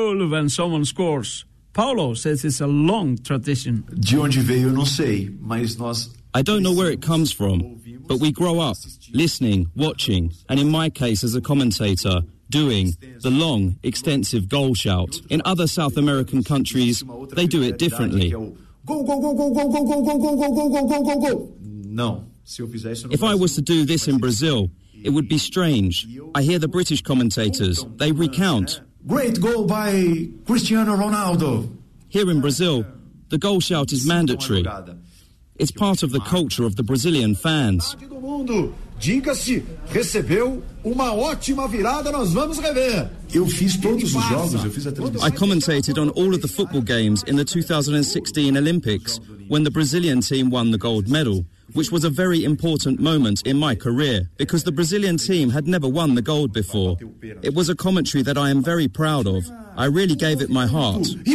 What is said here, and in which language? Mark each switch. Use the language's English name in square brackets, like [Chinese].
[English] When someone scores. Paulo says it's a long tradition. [Portuguese] De onde veio, eu não sei, mas nós... [English] I don't know where it comes from, but we grow up listening, watching, and in my case as a commentator, doing the long, extensive goal shout. In other South American countries, they do it differently. Go, go, go, go, go, go, go, go, go, go, go, go, go, go, go. If I was to do this in Brazil, it would be strange. I hear the British commentators, they recount... Great goal by Cristiano Ronaldo. Here in Brazil, the goal shout is mandatory. It's part of the culture of the Brazilian fans. [Portuguese] Diga-se, recebeu uma ótima virada, nós vamos rever. Eu fiz todos os jogos, eu fiz a transmissão. [English] I commentated on all of the football games in the 2016 Olympics when the Brazilian team won the gold medal, which was a very important moment in my career because the Brazilian team had never won the gold before. It was a commentary that I am very proud of. I really gave it my heart.